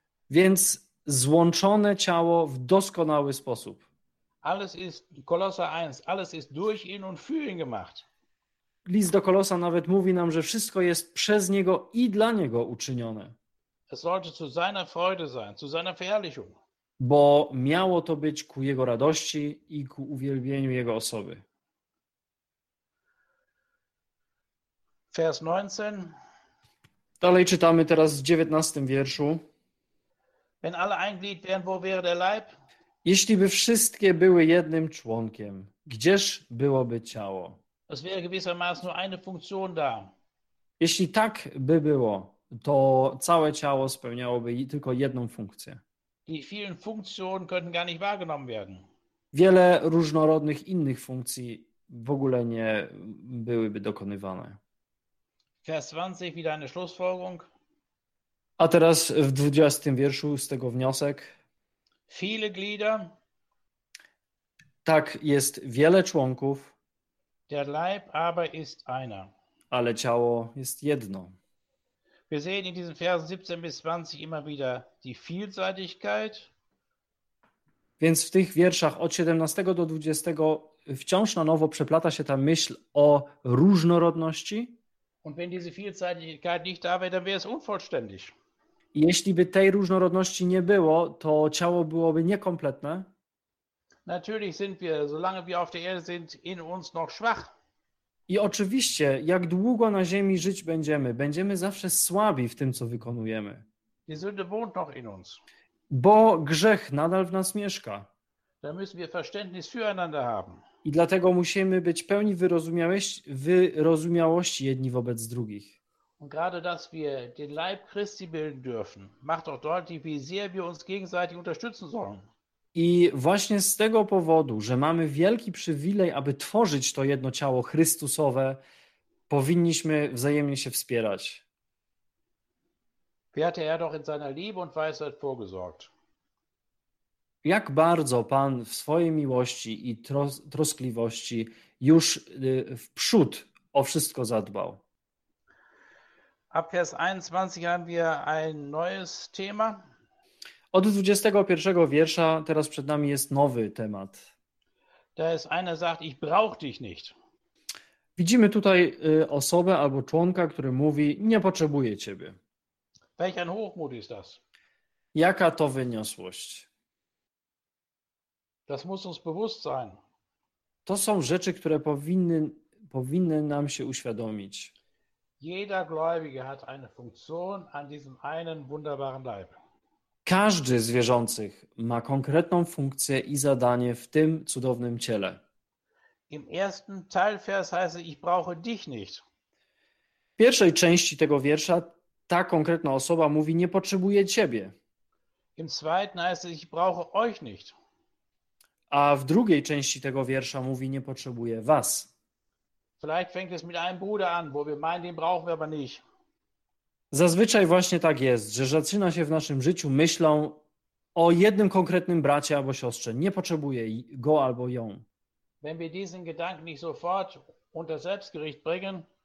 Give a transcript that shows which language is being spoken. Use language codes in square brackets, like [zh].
[pl] Więc złączone ciało w doskonały sposób. [de] Alles ist Kolosser 1, alles ist durch ihn und für ihn gemacht. [pl] List do Kolosa nawet mówi nam, że wszystko jest przez Niego i dla Niego uczynione. [de] Es sollte zu seiner Freude sein, zu seiner Verherrlichung. [pl] Bo miało to być ku Jego radości i ku uwielbieniu Jego osoby. [de] Vers 19. [pl] Dalej czytamy teraz w 19 wierszu. [de] Wenn alle ein Glied wären, wo wäre der Leib? [pl] Jeśli by wszystkie były jednym członkiem, gdzież byłoby ciało? [de] Es wäre gewissermaßen nur eine Funktion da. [pl] Jeśli tak by było, to całe ciało spełniałoby tylko jedną funkcję. [de] Die vielen Funktionen könnten gar nicht wahrgenommen werden. [pl] Wiele różnorodnych innych funkcji w ogóle nie byłyby dokonywane. [de] Vers 20, wieder eine Schlussfolgerung. [pl] A teraz w 20 wierszu z tego wniosek. [de] Viele Glieder. [pl] Tak, jest wiele członków. [de] Der Leib aber ist einer. [pl] Ale ciało jest jedno. [de] Wir sehen in diesen Versen 17 bis 20 immer wieder die Vielseitigkeit. [pl] Więc w tych wierszach od 17 do 20 wciąż na nowo przeplata się ta myśl o różnorodności. [de] Und wenn diese Vielseitigkeit nicht da wäre, dann wäre es unvollständig. [pl] Jeśli by tej różnorodności nie było, to ciało byłoby niekompletne. [de] Natürlich sind wir, solange wir auf der Erde sind, in uns noch schwach. [pl] I oczywiście, jak długo na ziemi żyć będziemy, będziemy zawsze słabi w tym, co wykonujemy. [de] Die Sünde wohnt noch in uns. [pl] Bo grzech nadal w nas mieszka. [de] Da müssen wir Verständnis füreinander haben. [pl] I dlatego musimy być pełni wyrozumiałości jedni wobec drugich. [de] Und gerade, dass wir den Leib Christi bilden dürfen, macht auch deutlich, wie sehr wir uns gegenseitig unterstützen sollen. [pl] I właśnie z tego powodu, że mamy wielki przywilej, aby tworzyć to jedno ciało Chrystusowe, powinniśmy wzajemnie się wspierać. [de] Werte er doch in seiner Liebe und Weisheit vorgesorgt. [pl] Jak bardzo Pan w swojej miłości i troskliwości już w przód o wszystko zadbał. [de] Ab Vers 21 haben wir ein neues Thema. [pl] Od 21 wiersza teraz przed nami jest nowy temat. [de] Da ist einer sagt, ich brauche dich nicht. [pl] Widzimy tutaj osobę albo członka, który mówi, nie potrzebuję ciebie. [de] Welch ein Hochmut ist das? [pl] Jaka to wyniosłość? [de] Das muss uns bewusst sein. [pl] To są rzeczy, które powinny nam się uświadomić. [de] Jeder Gläubige hat eine Funktion an diesem einen wunderbaren Leib. [pl] Każdy z wierzących ma konkretną funkcję i zadanie w tym cudownym ciele. [de] Im ersten Teilvers heißt es, ich brauche dich nicht. [pl] W pierwszej części tego wiersza ta konkretna osoba mówi, nie potrzebuje ciebie. [de] Im zweiten heißt es, ich brauche euch nicht. [pl] A w drugiej części tego wiersza mówi, nie potrzebuje was. [de] Vielleicht fängt es mit einem Bruder an, wo wir meinen, den brauchen wir aber nicht. [pl] Zazwyczaj właśnie tak jest, że zaczyna się w naszym życiu myślą o jednym konkretnym bracie albo siostrze. Nie potrzebuje go albo ją. [de] Wenn wir diesen Gedanken nicht sofort unter Selbstgericht bringen,